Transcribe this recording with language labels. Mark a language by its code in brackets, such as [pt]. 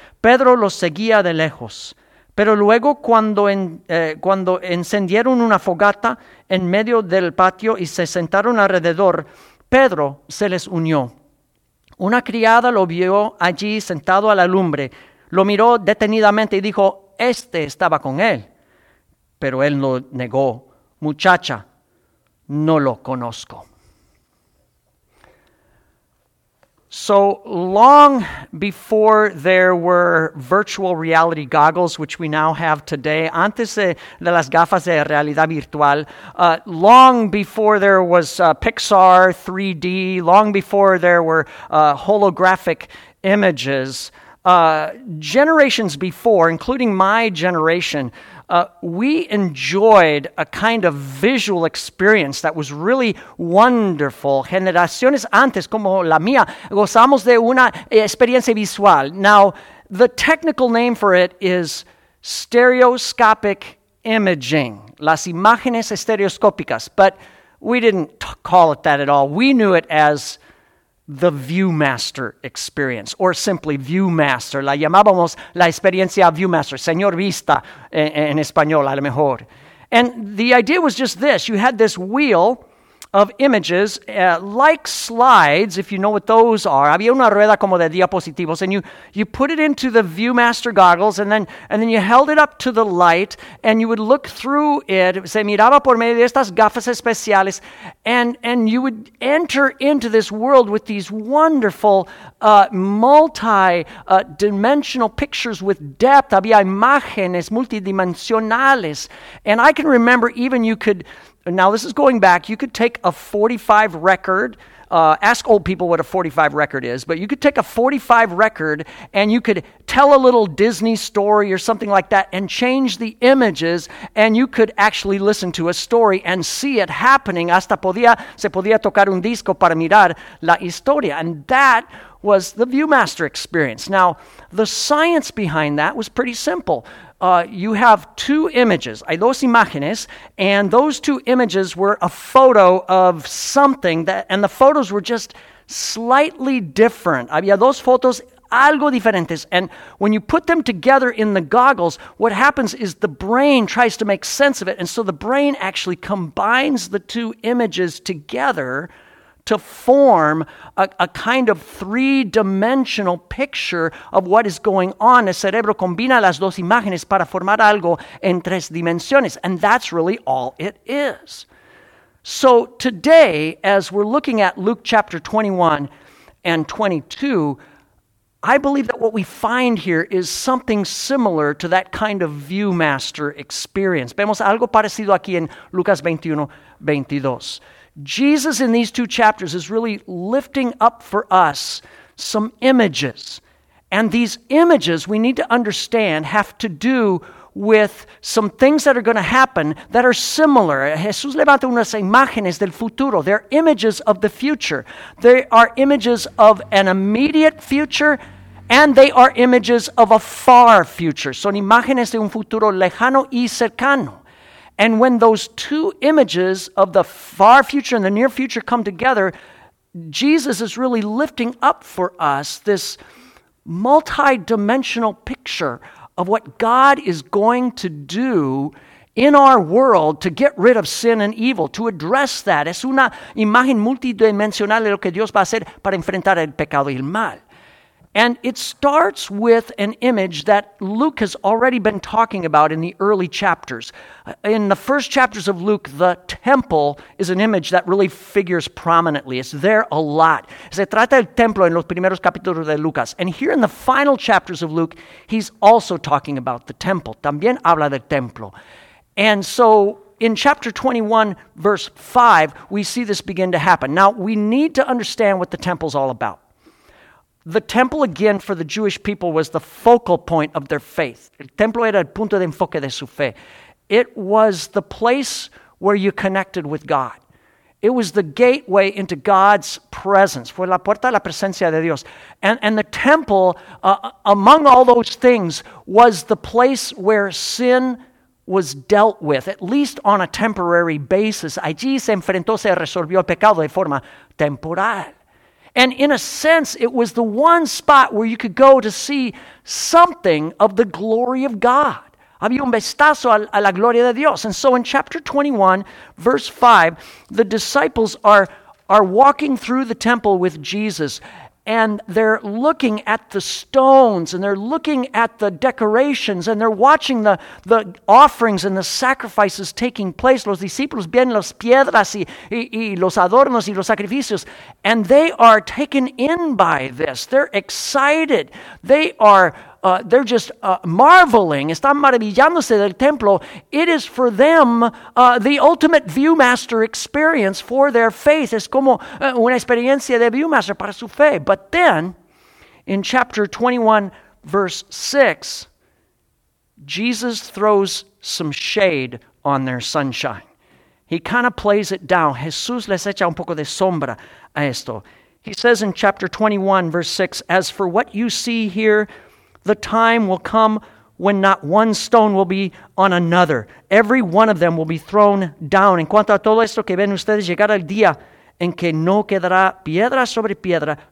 [es] Pedro los seguía de lejos. Pero luego, cuando encendieron una fogata en medio del patio y se sentaron alrededor, Pedro se les unió. Una criada lo vio allí sentado a la lumbre, lo miró detenidamente y dijo, este estaba con él. Pero él lo negó, muchacha, no lo conozco. [en] So long before there were virtual reality goggles, which we now have today, [es] antes de las gafas de realidad virtual, [en] long before there was Pixar 3D, long before there were holographic images, generations before, including my generation, we enjoyed a kind of visual experience that was really wonderful. [es] Generaciones antes, como la mía, gozamos de una experiencia visual. [en] Now, the technical name for it is stereoscopic imaging, [es] las imágenes estereoscópicas. [en] But we didn't call it that at all. We knew it as the Viewmaster experience, or simply Viewmaster. [es] La llamábamos la experiencia Viewmaster, Señor Vista, en español, a lo mejor. [en] And the idea was just this. You had this wheel of images, like slides, if you know what those are. [es] Había una rueda como de diapositivos, [en] and you put it into the Viewmaster goggles, and then you held it up to the light, and you would look through it. [es] Se miraba por medio de estas gafas especiales, [en] and you would enter into this world with these wonderful multi-dimensional pictures with depth. [es] Había imágenes multidimensionales, [en] and I can remember even you could. Now, this is going back. You could take a 45 record. Ask old people what a 45 record is. But you could take a 45 record and you could tell a little Disney story or something like that and change the images and you could actually listen to a story and see it happening. [es] Hasta se podía tocar un disco para mirar la historia. [en] And that was the Viewmaster experience. Now, the science behind that was pretty simple. You have two images, [es] hay dos imágenes, [en] and those two images were a photo of something, and the photos were just slightly different. [es] Había dos fotos algo diferentes, [en] and when you put them together in the goggles, what happens is the brain tries to make sense of it, and so the brain actually combines the two images together to form a kind of three-dimensional picture of what is going on. [es] El cerebro combina las dos imágenes para formar algo en tres dimensiones. [en] And that's really all it is. So today, as we're looking at Luke chapter 21 and 22, I believe that what we find here is something similar to that kind of Viewmaster experience. [es] Vemos algo parecido aquí en Lucas 21, 22. [en] Jesus, in these two chapters, is really lifting up for us some images. And these images, we need to understand, have to do with some things that are going to happen that are similar. [es] Jesús levanta unas imágenes del futuro. [en] They're images of the future. They are images of an immediate future, and they are images of a far future. [es] Son imágenes de un futuro lejano y cercano. [en] And when those two images of the far future and the near future come together, Jesus is really lifting up for us this multi-dimensional picture of what God is going to do in our world to get rid of sin and evil, to address that. [es] Es una imagen multidimensional de lo que Dios va a hacer para enfrentar el pecado y el mal. [en] And it starts with an image that Luke has already been talking about in the early chapters. In the first chapters of Luke, the temple is an image that really figures prominently. It's there a lot. [es] Se trata del templo en los primeros capítulos de Lucas. [en] And here in the final chapters of Luke, he's also talking about the temple. [es] También habla del templo. [en] And so in chapter 21, verse 5, we see this begin to happen. Now, we need to understand what the temple's all about. The temple, again, for the Jewish people was the focal point of their faith. [es] El templo era el punto de enfoque de su fe. [en] It was the place where you connected with God. It was the gateway into God's presence. [es] Fue la puerta de la presencia de Dios. [en] And the temple, among all those things, was the place where sin was dealt with, at least on a temporary basis. [es] Allí se enfrentó, se resolvió el pecado de forma temporal. [en] And in a sense, it was the one spot where you could go to see something of the glory of God. [es] Había un vistazo a la gloria de Dios. [en] And so in chapter 21, verse 5, the disciples are walking through the temple with Jesus, and they're looking at the stones, and they're looking at the decorations, and they're watching the offerings and the sacrifices taking place. [es] Los discípulos ven las piedras y los adornos y los sacrificios, [en] and they are taken in by this. They're excited. They're just marveling. [es] Están maravillándose del templo. [en] It is for them the ultimate viewmaster experience for their faith. [es] Es como una experiencia de viewmaster para su fe. [en] But then, in chapter 21, verse 6, Jesus throws some shade on their sunshine. He kind of plays it down. [es] Jesús les echa un poco de sombra a esto. [en] He says in chapter 21, verse 6, "As for what you see here, the time will come when not one stone will be on another. Every one of them will be thrown down." [es] En cuanto a todo esto que ven ustedes, llegará el día en que no quedará piedra sobre piedra.